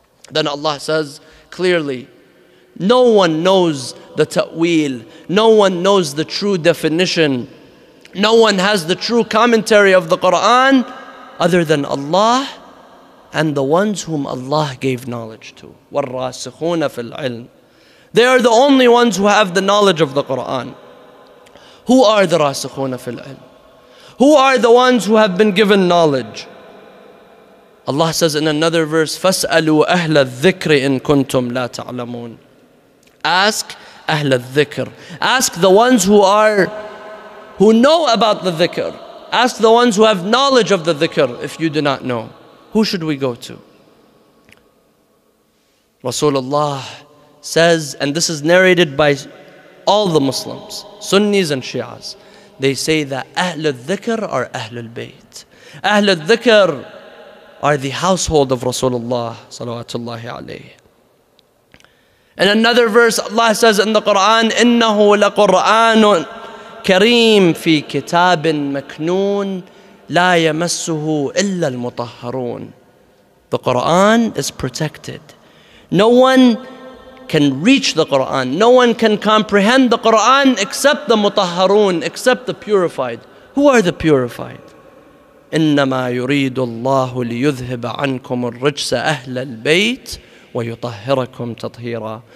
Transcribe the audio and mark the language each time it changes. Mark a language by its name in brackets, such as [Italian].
[English] Then Allah says clearly, no one knows the ta'wil, no one knows the true definition, no one has the true commentary of the Quran other than Allah and the ones whom Allah gave knowledge to. [Arabic] وَالرَّاسِخُونَ فِي الْعِلْمِ. [English] They are the only ones who have the knowledge of the Quran. Who are the [Arabic] رَاسِخُونَ فِي الْعِلْمِ? [English] Who are the ones who have been given knowledge? Allah says in another verse, [Arabic] فَاسْأَلُوا أَهْلَ الذِّكْرِ إِن كُنْتُمْ لَا تَعْلَمُونَ. [English] Ask [Arabic] أَهْلَ الذِّكْرِ. [English] Ask the ones who know about the dhikr. Ask the ones who have knowledge of the dhikr if you do not know. Who should we go to? Rasulullah says, and this is narrated by all the Muslims, Sunnis and Shias, they say that أَهْلَ الذِّكْرِ are أَهْلُ الْبَيْتِ. أَهْلَ الذِّكْرِ are the household of Rasulullah salawatullahi alayhi. In another verse, Allah says in the Quran, [Arabic] إِنَّهُ لَقُرْآنٌ كَرِيمٌ فِي كِتَابٍ مَكْنُونٌ لَا يَمَسُّهُ إِلَّا الْمُطَهَّرُونَ. [English] The Quran is protected. No one can reach the Quran. No one can comprehend the Quran except the mutahharun, except the purified. Who are the purified? [Arabic] إنما يريد الله ليذهب عنكم الرجس أهل البيت ويطهركم تطهيرا.